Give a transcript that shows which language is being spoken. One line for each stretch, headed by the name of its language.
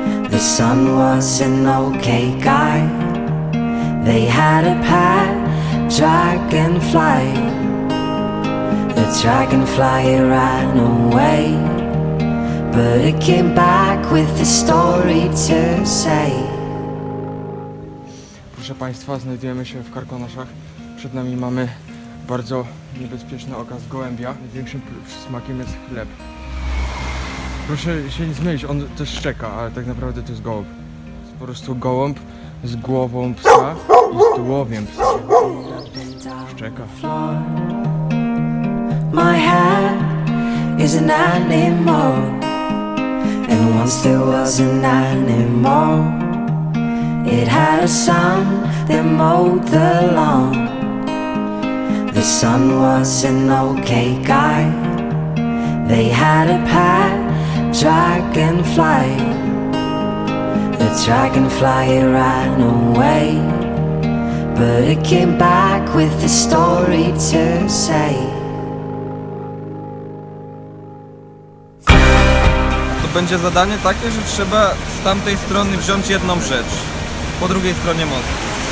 English: The son was an okay guy. They had a pet dragonfly. The dragonfly ran away, but it came back with a story to say.
Polish: Proszę Państwa, znajdujemy się w Karkonoszach. Przed nami mamy bardzo niebezpieczny okaz gołębia. Największym smakiem jest chleb. Proszę się nie zmylić, on też szczeka, ale tak naprawdę to jest gołąb. Jest po prostu gołąb z głową psa i z tułowiem psa. Szczeka.
English: My head is an animal, and once there was an animal. It had a son that mowed the lawn. The son was an okay guy. They had a pet dragonfly. The dragonfly ran away, but it came back with a story to say.
Polish: To będzie zadanie takie, że trzeba z tamtej strony wziąć jedną rzecz po drugiej stronie mostu.